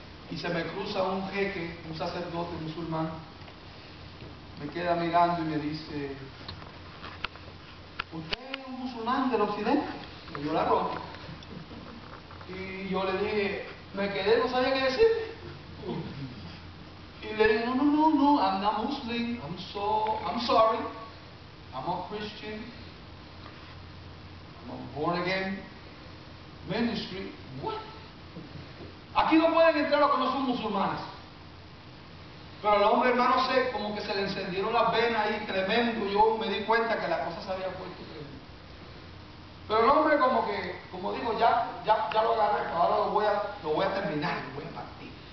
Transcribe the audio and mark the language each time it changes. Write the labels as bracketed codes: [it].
[es] Y se me cruza un jeque, un sacerdote musulmán, me queda mirando y me dice, ¿usted es un musulmán del occidente? Y yo la rompo. Y yo le dije, me quedé, no sabía qué decir. Y le dije, no, [en] I'm not Muslim, I'm sorry, I'm a Christian, I'm a born again ministry. What? [es] Aquí no pueden entrar los que no son musulmanes. Pero al hombre, hermano, sé, como que se le encendieron las venas ahí, tremendo. Yo me di cuenta que la cosa se había puesto tremendo. Pero el hombre, como que, como digo, ya lo agarré, ahora lo voy a terminar, lo voy a partir.